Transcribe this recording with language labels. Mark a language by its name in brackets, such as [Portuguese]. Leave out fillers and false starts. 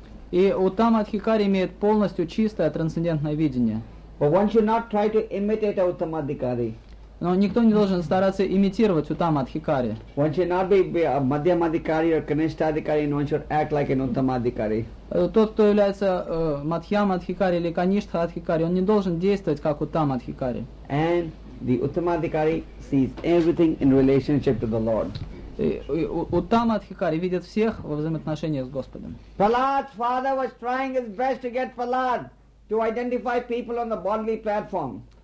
[Russian] И Уттама Адхикари имеет полностью чистое трансцендентное видение. [English] But one should not try to imitate a Uttama Adhikari. [Russian] Но никто не должен стараться имитировать Уттама Адхикари. [English] One should not be a Madhyama Adhikari or Kanishtha Adhikari, and one should act like an Uttama Adhikari. [Russian] Тот, кто является Мадхьяма Адхикари или Каништа Адхикари, он не должен действовать как Уттама Адхикари. [English] And the Uttama Adhikari sees everything in relationship to the Lord. [Russian] Уттама Адхикари видит всех во взаимоотношениях с Господом. [English] Prahlad's father was trying his best to get Prahlad to identify people on the bodily platform.